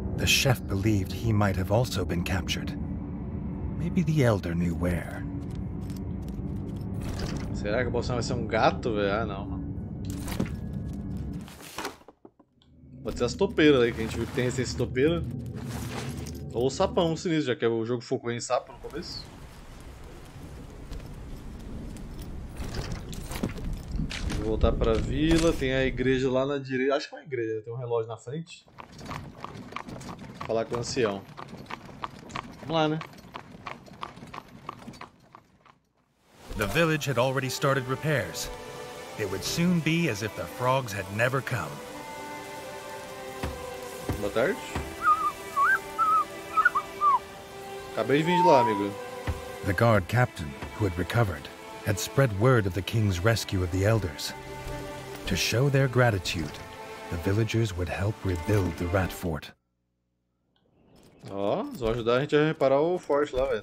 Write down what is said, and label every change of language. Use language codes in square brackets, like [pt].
[en] The chef believed he might have also been captured. Maybe the elder knew where. [pt] Será que a poção vai ser gato, velho? Ah, não. Pode ser as topeiras aí, que a gente viu que tem resistência topeira. Ou o sapão sinistro, já que o jogo focou em sapo no começo. Vou voltar pra vila, tem a igreja lá na direita. Acho que é uma igreja, tem um relógio na frente. Vou falar com o ancião. Vamos lá, né? [en] The village had already started repairs. It would soon be as if the frogs had never come. [pt] Boa tarde. Acabei de vir de lá, amigo. [en] The guard captain, who had recovered, had spread word of the king's rescue of the elders. To show their gratitude, the villagers would help rebuild the rat fort. [pt] Ó, vão ajudar a gente a reparar o forte lá, velho.